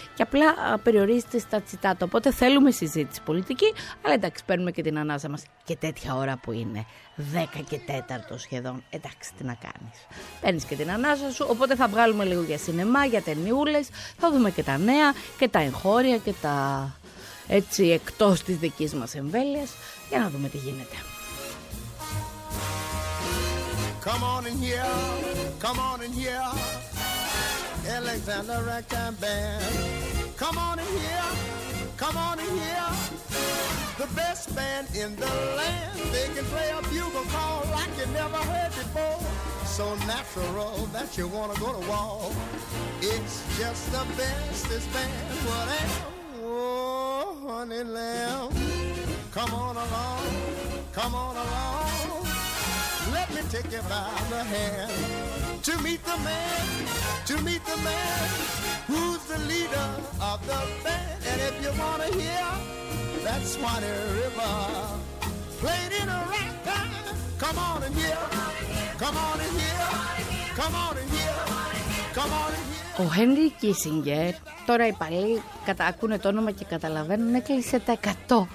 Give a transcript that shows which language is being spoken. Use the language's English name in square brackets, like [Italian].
[Greek] Και απλά περιορίζεται στα τσιτάτα. Οπότε θέλουμε συζήτηση πολιτική, αλλά εντάξει, παίρνουμε και την ανάσα μας και τέτοια ώρα που είναι 10 και 4 σχεδόν. Εντάξει, τι να κάνεις. Παίρνεις και την ανάσα σου. Οπότε θα βγάλουμε λίγο για σινεμά, για ταινιούλες, θα δούμε και τα νέα και τα εγχώρια και τα, έτσι, εκτός της δικής μας εμβέλειας, για να δούμε τι γίνεται. [English] Come on in here, come on in here, Alexander Ragtime Band. Come on in here, come on in here, the best band in the land. They can play a bugle call like you never heard before. So natural that you wanna go to war. It's just the bestest band, whatever. Oh, honey lamb, come on along, come on along. Let me take you by the hand to meet the man, to meet the man who's the leader of the band. And if you want to hear that Swanee River played in a ragtime, come on in here, come on in here, come on in here, come on in here. [Greek] Ο Henry Kissinger, τώρα οι παλιοί ακούνε το όνομα και καταλαβαίνουν, έκλεισε τα 100.